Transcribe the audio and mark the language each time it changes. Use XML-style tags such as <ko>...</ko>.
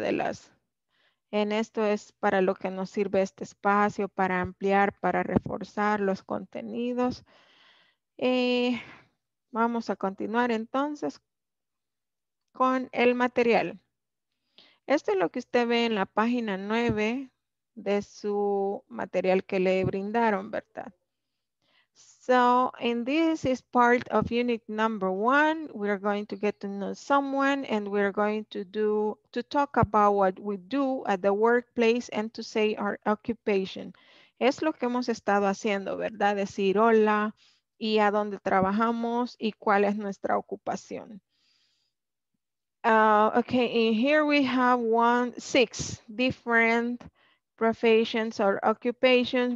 <es>De las, en esto es para lo que nos sirve este espacio, para ampliar, para reforzar los contenidos. Vamos a continuar entonces con el material. Esto es lo que usted ve en la página 9 de su material que le brindaron, ¿verdad?</es> <en>So, and this is part of unit number 1. We are going to get to know someone and we are going to do to talk about what we do at the workplace and to say our occupation.</en> <es>Es lo que hemos estado haciendo, ¿verdad? Decir hola, y a dónde trabajamos y cuál es nuestra ocupación.</es> <en>Okay, and here we have 6 different professions or occupations.</en>